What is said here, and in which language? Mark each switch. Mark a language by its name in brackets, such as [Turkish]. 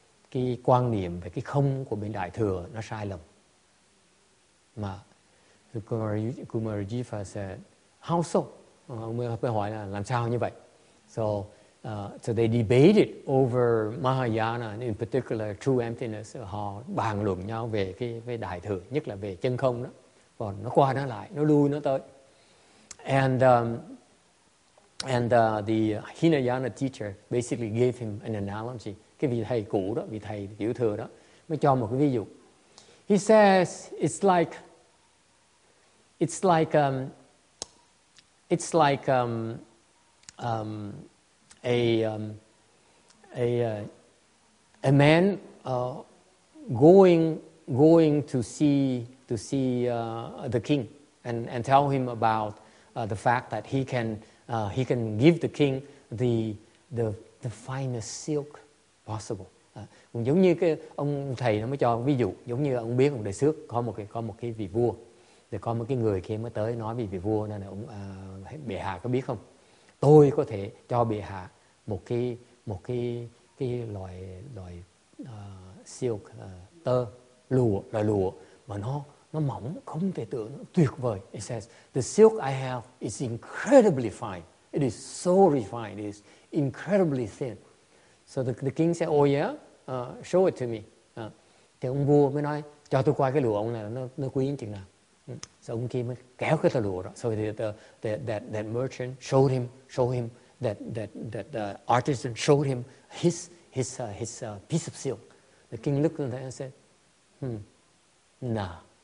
[Vietnamese] Cái quan niệm về cái không của bên đại thừa nó sai lầm. [English] Mà Kumarajiva said, how so? [Vietnamese] Ông mới hỏi là làm sao như vậy? [English] So they debated over Mahayana, and in particular true emptiness. [Vietnamese] Họ bàn luận nhau về cái đại thừa, nhất là về chân không đó. Còn nó qua nó lại, nó lui nó tới. [English] And the Hinayana teacher basically gave him an analogy. [Vietnamese] Cái vị thầy cũ đó, vị thầy tiểu thừa đó, mới cho một cái ví dụ. [English] He says it's like a man going to see the king and tell him about the fact that he can give the king the finest silk possible. [Vietnamese] Cũng giống như cái ông thầy nó mới cho ví dụ, giống như ông biết ông đời xưa có một cái vị vua, thì có một cái người kia mới tới nói về vị vua, nên là ông bệ hạ có biết không? Tôi có thể cho bệ hạ một cái loại silk tơ lụa, là lụa mà nó mỏng không thể tưởng, nó tuyệt vời. [English] It says the silk I have is incredibly fine. It is so refined. It is incredibly thin. So the king said, oh yeah, show it to me. [Vietnamese] Thì ông vua mới nói, cho tôi coi cái lụa ông này, nó quý như chừng nào. So ông kia mới kéo cái tờ lụa đó. [English] So that merchant showed him that artisan showed him his piece of silk. The king looked at that and said, nah.